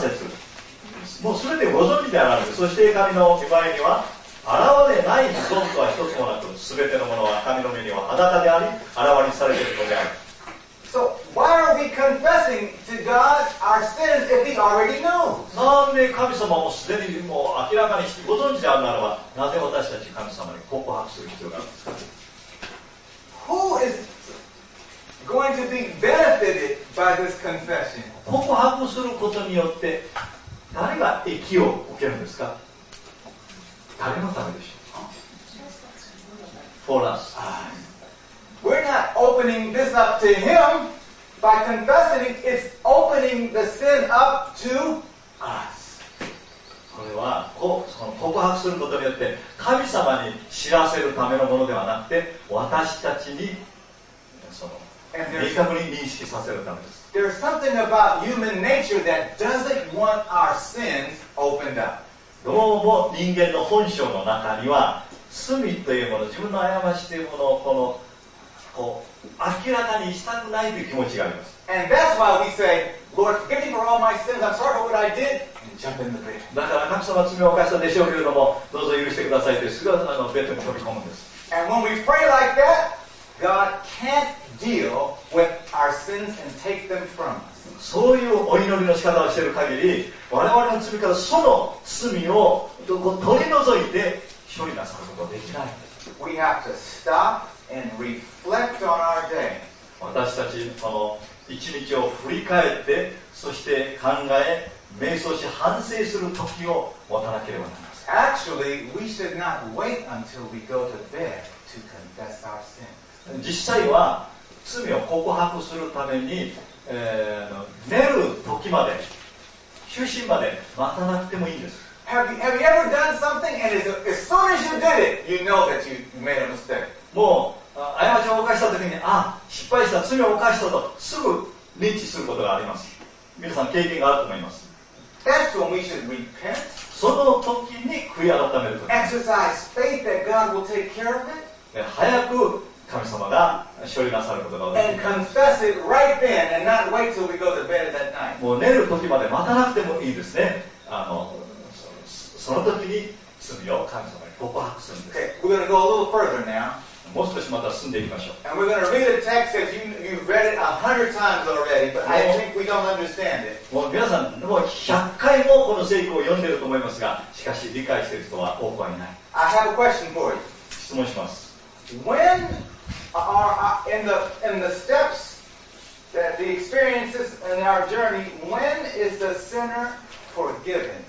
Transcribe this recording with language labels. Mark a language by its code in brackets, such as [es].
[ja] 節もうすべてご存じであらず、そして神の御前には現れない存とは一つもなく、すべてのものは神の目には裸であり現れされているのである。 [en] So why are we confessing to God our sins if He already knows? [ja] なんで神様もすでにもう明らかにしてご存じであるならば、なぜ私たち神様に告白する必要があるんですか。 [en] Who is going to be benefited by this confession? [ja] 告白することによって誰が益を受けるんですか。誰のためでしょう。 [en] For us. We're not opening this up to him by confessing. It's opening the sin up to us. [ja] これはその告白することによって神様に知らせるためのものではなくて、私たちにその明確に認識させるためです。 [en] There's something about human nature that doesn't want our sins opened up. [ja] どうも人間の本性の中には罪というもの、自分の過ちというものをこのこう明らかにしたくないという気持ちがあります。 [en] And that's why we say, Lord, forgive me for all my sins. I'm sorry for what I did. Jump in the bed. [ja] だから神様は罪を犯したでしょうけれども、どうぞ許してくださいというすぐあのベッドに飛び込むんです。 [en] And when we pray like that, God can't deal with our sins and take them from us. [ja] そういうお祈りの仕方をしている限り、我々の罪からその罪を取り除いて処理なさることができない。 [en] We have to stop and reflect on our day. [ja] 私たちこの一日を振り返って、そして考え、瞑想し反省する時を持たなければならない。 [en] Actually, we should not wait until we go to bed to confess our sins. [ja] 実際は罪を告白するために、寝る時まで、就寝まで待たなくてもいいんです。 [en] Have you ever done something and as soon as you did it, you know that you made a mistake? [ja] もう、過ちを犯した時に、あ、失敗した、罪を犯したと、すぐ認知することがあります。皆さん経験があると思います。 [en] That's when we should repent. [ja] その時に悔い改めること。 [en] Exercise faith that God will take care of it. [ja] 早く神様が処理なさることが [en] And confess it right then and not wait till we go to bed that night. [ja] もう寝る時まで待たなくてもいいですね。あの、その時に罪を神様に告白するんです。 [en] Okay, we're going to go a little further now. [ja] もう少しまた進んでいきましょう。 [en] And we're going to read a text that you've read it 100 times already, but I think we don't understand it. [ja] もう皆さん、もう100回もこの聖句を読んでいると思いますが、しかし理解している人は多くはいない。 [en] I have a question for you. [ja] 質問します。 [en] When are in the steps that the experiences in our journey, when is the sinner forgiven?